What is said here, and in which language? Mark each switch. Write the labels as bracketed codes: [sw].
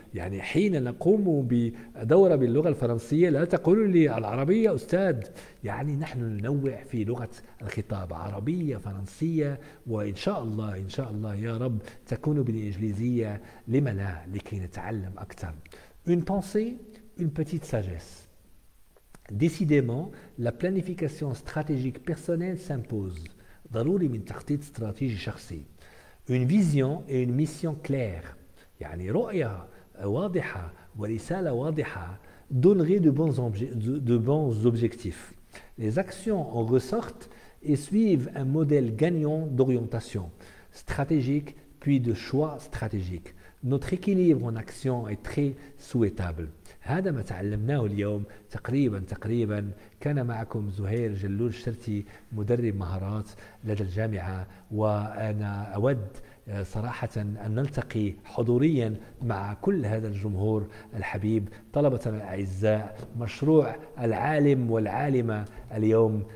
[ar] يعني حين نقوم بدورة باللغة الفرنسية لا تقول لي العربية أستاذ، يعني نحن ننوع في لغة الخطاب، عربية فرنسية، وإن شاء الله إن شاء الله يا رب تكون بالإنجليزية، لما لا، لكي نتعلم أكثر. [fr] Une pensée, une petite sagesse. Décidément, la planification stratégique personnelle s'impose. [ar] ضروري من تخطيط استراتيجي شخصي. [fr] Une vision et une mission claire. [ar] يعني رؤية واضحة ورسالة واضحة [fr] donnerait de bons objectifs. Les actions en ressortent et suivent un modèle gagnant d'orientation stratégique puis de choix stratégique. Notre équilibre en action est très souhaitable. [ar] هذا ما تعلمناه اليوم تقريبا. كان معكم زهير جلول الشرتي، مدرب مهارات لدى الجامعة، وأنا أود صراحة أن نلتقي حضوريا مع كل هذا الجمهور الحبيب، طلبتنا الأعزاء، مشروع العالم والعالمة اليوم.